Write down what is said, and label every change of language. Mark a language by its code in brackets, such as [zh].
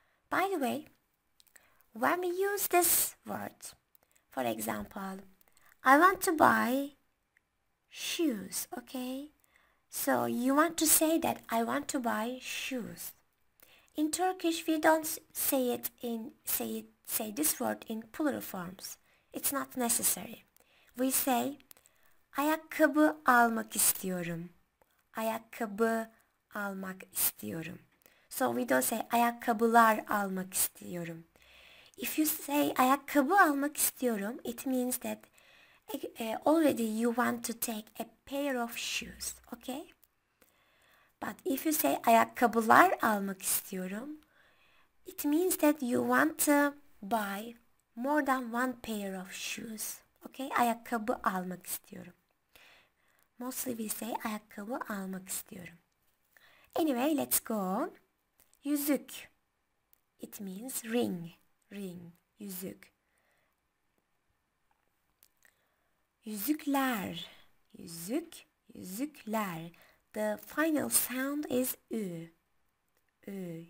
[en] By the way, when we use this word, for example, I want to buy shoes, okay? So you want to say that I want to buy shoes. In Turkish, we don't say it in say this word in plural forms. It's not necessary. [tr] We say ayakkabı almak istiyorum. Ayakkabı almak istiyorum. [en] So we don't say [tr] ayakkabılar almak istiyorum. [en] If you say [tr] ayakkabı almak istiyorum, [en] it means that already you want to take a pair of shoes, okay? But if you say [tr] ayakkabılar almak istiyorum, [en] it means that you want to buy more than one pair of shoes. Okay? [tr] Ayakkabı almak istiyorum. Mostly we say ayakkabı almak istiyorum. [en] Anyway, let's go on. Yüzük. It means ring. Ring. Yüzük. [tr] Yüzükler. Yüzük, yüzükler. [en] The final sound is ü. Ü.